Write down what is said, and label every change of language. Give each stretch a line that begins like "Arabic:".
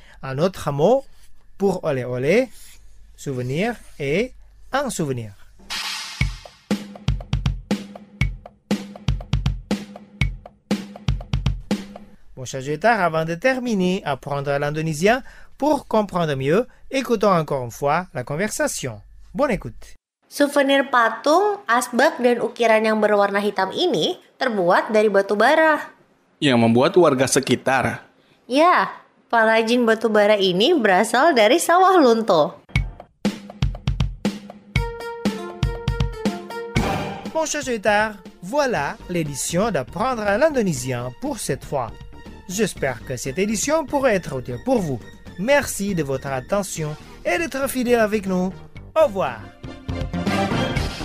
French: Un autre mot pour olé, olé, souvenir est un souvenir. Bon, chers auditeurs, avant de terminer, apprendre l'indonésien pour comprendre mieux, écoutons encore une fois la conversation. Bonne écoute.
Indonesian: Souvenir patung, asbak, dan ukiran yang berwarna hitam ini terbuat dari batu bara. Yang membuat warga sekitar. Ya, palajin batu bara ini berasal dari sawah lunto.
French: Bon, chers auditeurs, voilà l'édition d'apprendre l'indonésien pour cette fois. J'espère que cette édition pourra être utile pour vous. Merci de votre attention et d'être fidèle avec nous. Au revoir.
English: We'll be right back.